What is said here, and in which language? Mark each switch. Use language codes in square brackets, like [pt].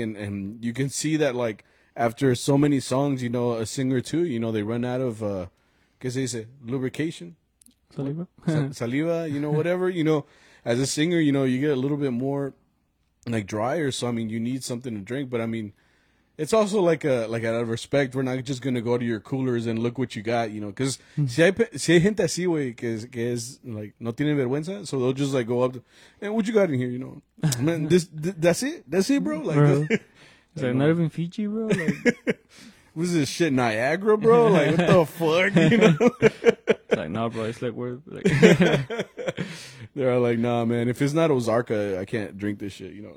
[en] And you can see that like after so many songs, you know, a singer too, you know, they run out of, [es] que se dice, [en] lubrication, saliva, saliva, you know, whatever, you know. As a singer, you know, you get a little bit more, like, drier. So, I mean, you need something to drink. But, I mean, it's also, like, out of respect, we're not just going to go to your coolers and look what you got, you know. Because [es] si hay gente así, güey, que es, [en] like, [es] no tiene vergüenza. [en] So, they'll just, like, go up to, hey, what you got in here, you know. Man, that's it, bro? Like, bro. Is that not even Fiji, bro? Like, what is this shit, Niagara, bro? Like, what the fuck, you know? Like, nah, bro, it's like we're like, they're all like, nah, man, if it's not Ozarka, I can't drink this shit, you know.